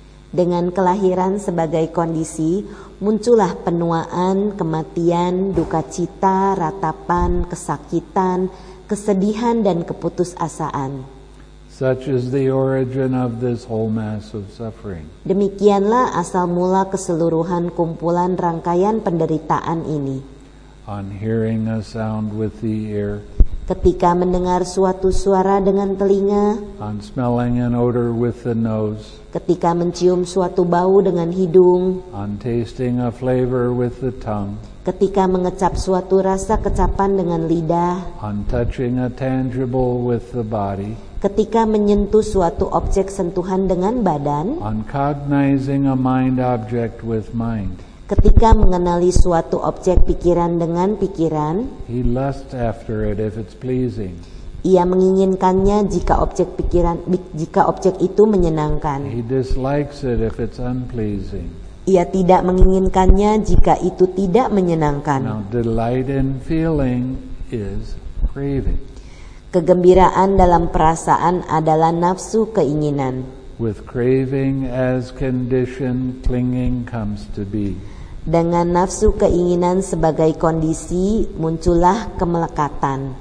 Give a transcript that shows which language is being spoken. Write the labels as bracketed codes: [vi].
[id] Dengan kelahiran sebagai kondisi, muncullah penuaan, kematian, duka cita, ratapan, kesakitan, kesedihan, dan keputusasaan. [en] Such is the origin of this whole mass of suffering. [id] Demikianlah asal mula keseluruhan kumpulan rangkaian penderitaan ini. [en] On hearing a sound with the ear. [id] Ketika mendengar suatu suara dengan telinga. [en] On smelling an odor with the nose. [id] Ketika mencium suatu bau dengan hidung. [en] On tasting a flavor with the tongue. [id] Ketika mengecap suatu rasa kecapan dengan lidah. [en] On touching a tangible with the body. [id] Ketika menyentuh suatu objek sentuhan dengan badan. [en] On cognizing a mind object with mind. [id] Ketika mengenali suatu objek pikiran dengan pikiran. [en] He lusts after it if it's pleasing. [id] Ia menginginkannya jika objek itu menyenangkan. [en] He dislikes it if it's unpleasing. [id] Ia tidak menginginkannya jika itu tidak menyenangkan. [en] Now, delight in feeling is craving. [id] Kegembiraan dalam perasaan adalah nafsu keinginan. [en] With craving as condition, clinging comes to be. [id] Dengan nafsu keinginan sebagai kondisi, muncullah kemelekatan.